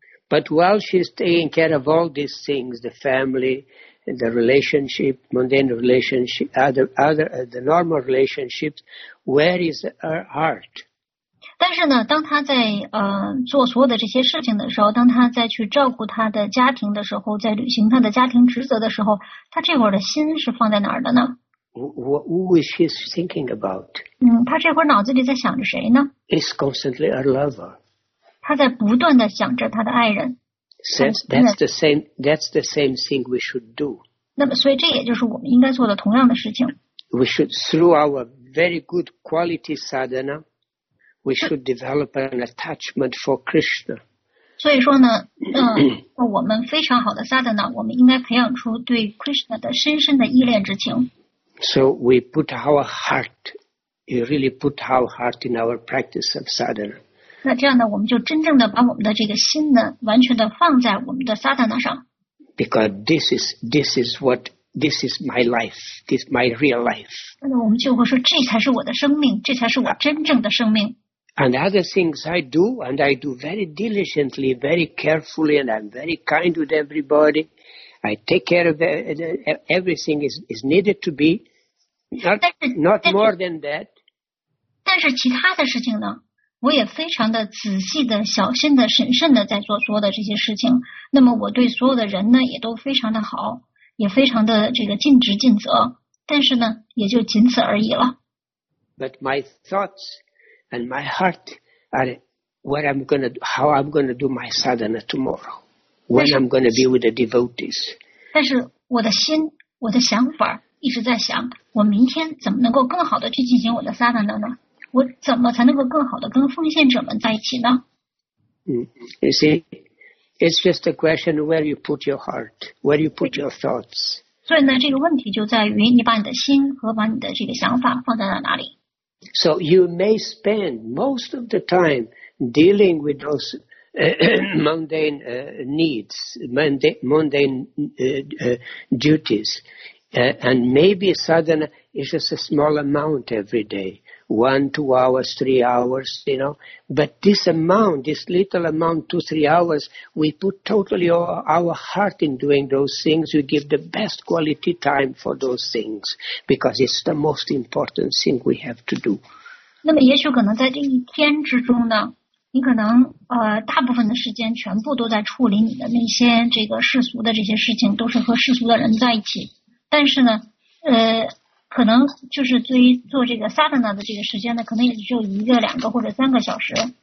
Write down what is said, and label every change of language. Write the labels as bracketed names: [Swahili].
[English] But while she's taking care of all these things, the family, the relationship, mundane relationship, the normal relationships, where is her heart? [Chinese] 但是呢，当他在做所有的这些事情的时候，当他在去照顾他的家庭的时候，在履行他的家庭职责的时候，他这会儿的心是放在哪儿的呢？ [English] Who is she thinking about? [Chinese] 他这会儿脑子里在想着谁呢？ [English] It's constantly her lover. [Chinese] 他在不断的想着他的爱人。 [English] That's the same thing we should do. [Chinese] 那么，所以这也就是我们应该做的同样的事情。 [English] We should, through our very good quality sadhana, we should develop an attachment for Krishna. [Chinese] 所以说呢，我们非常好的 sadhana， 我们应该培养出对 Krishna 的深深的依恋之情。 [English] So we put our heart, we really put our heart in our practice of sadhana. [Chinese] 那这样呢，我们就真正的把我们的这个心呢，完全的放在我们的 sadhana 上。 [English] Because this is my life, this is my real life. [Chinese] 那我们就会说，这才是我的生命，这才是我真正的生命。 [English] And other things I do, and I do very diligently, very carefully, and I'm very kind with everybody. I take care of everything is needed to be, not more than that. [Chinese] 但是其他的事情呢，我也非常的仔细的、小心的、审慎的在做所有的这些事情。那么我对所有的人呢，也都非常的好，也非常的这个尽职尽责。但是呢，也就仅此而已了。 [English] But my thoughts. And my heart are where I'm gonna, how I'm gonna do my sadhana tomorrow, when I'm gonna be with the devotees. [Chinese] 但是我的心，我的想法一直在想，我明天怎么能够更好的去进行我的 sadhana 呢？我怎么才能够更好的跟奉献者们在一起呢？ [English] You see, it's just a question where you put your heart, where you put your thoughts. [Chinese] 所以呢，这个问题就在于你把你的心和把你的这个想法放在了哪里。 [English] So you may spend most of the time dealing with those mundane needs, mundane duties, and maybe sadhana is just a small amount every day, 1-2 hours, 3 hours, you know. But this amount, this little amount, 2-3 hours, we put totally our heart in doing those things. We give the best quality time for those things because it's the most important thing we have to do. [Chinese] 那么也许可能在这一天之中呢，你可能大部分的时间全部都在处理你的那些这个世俗的这些事情，都是和世俗的人在一起。但是呢，可能就是对于做这个 sadhana 的这个时间呢，可能也只有1-2个或者3个小时。